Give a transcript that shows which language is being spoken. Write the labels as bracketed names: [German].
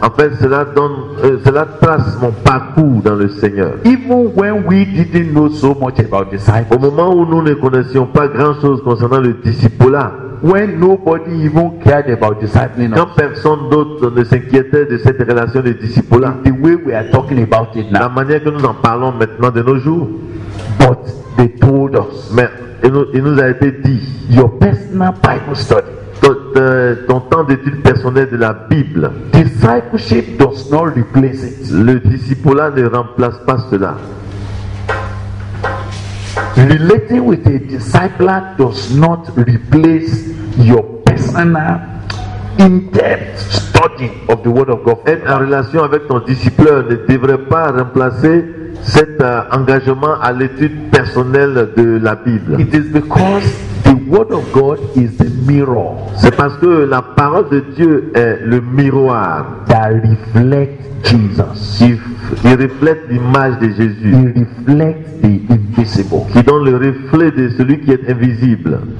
[French] En fait, cela trace mon parcours dans le Seigneur. [English] Even when we didn't know so much about disciples, [French] au moment où nous ne connaissions pas grand chose concernant le discipulat, [English] when nobody even cared about discipling, [French] quand personne d'autre ne s'inquiétait de cette relation de discipulat, [English] the way we are talking about it now, [French] la manière que nous en parlons maintenant de nos jours, [English] but they told us, [French] mais il nous a été dit, [English] your personal Bible study. [French] Ton temps d'étude personnelle de la Bible. [English] Discipleship does not replace it. [French] Le discipulat ne remplace pas cela. [English] Relating with a disciple does not replace your personal in-depth study of the Word of God. [French] Être en relation avec ton disciple ne devrait pas remplacer cet engagement à l'étude personnelle de la Bible. [English] It is because the Word of God is the mirror. [French] C'est parce que la parole de Dieu est le miroir. [English] That reflects Jesus. [French] Il reflète l'image de Jésus. [English] It reflects the invisible. [French] Qui donne le reflet de celui qui est invisible.